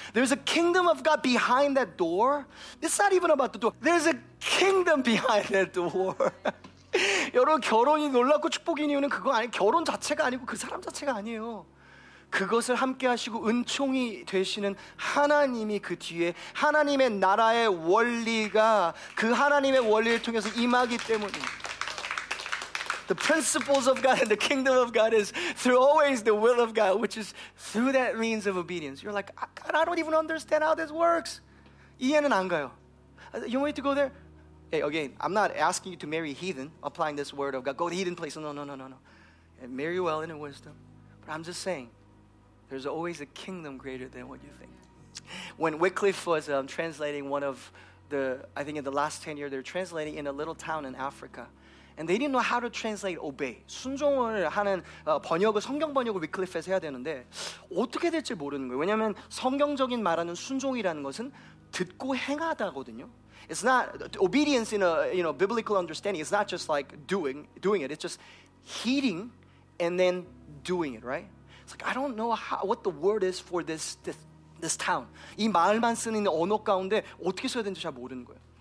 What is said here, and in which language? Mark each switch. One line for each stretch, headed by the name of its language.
English: There's a kingdom of God behind that door. It's not even about the door. There's a kingdom behind that door.
Korean: 여러분 결혼이 놀랍고 축복인 이유는 그거 아니에요. 결혼 자체가 아니고 그 사람 자체가 아니에요. 그것을 함께 하시고 은총이 되시는 하나님이 그 뒤에 하나님의 나라의 원리가 그 하나님의 원리를 통해서 임하기 때문에
English: The principles of God and the kingdom of God is through always the will of God, which is through that means of obedience. You're like, God, I don't even understand how this works.
Korean: 이해는 안 가요.
English: You want me to go there? Hey, again, I'm not asking you to marry heathen, applying this word of God. Go to heathen place. No. And marry well in wisdom. But I'm just saying, there's always a kingdom greater than what you think. When Wycliffe was translating one of the, I think in the last 10 years, they're translating in a little town in Africa. And they didn't know how to translate obey.
Korean: 순종을 하는 번역을, 성경 번역을 Wycliffe에서 해야 되는데 어떻게 될지 모르는 거예요. 왜냐하면 성경적인 말하는 순종이라는 것은 듣고 행하다거든요.
English: It's not obedience in a you know, biblical understanding. It's not just like doing it. It's just heeding and then doing it, right? It's like, I don't know what the word is for this town.
Korean: 이 마을만 쓰는 언어 가운데 어떻게 써야 되는지 잘 모르는 거예요.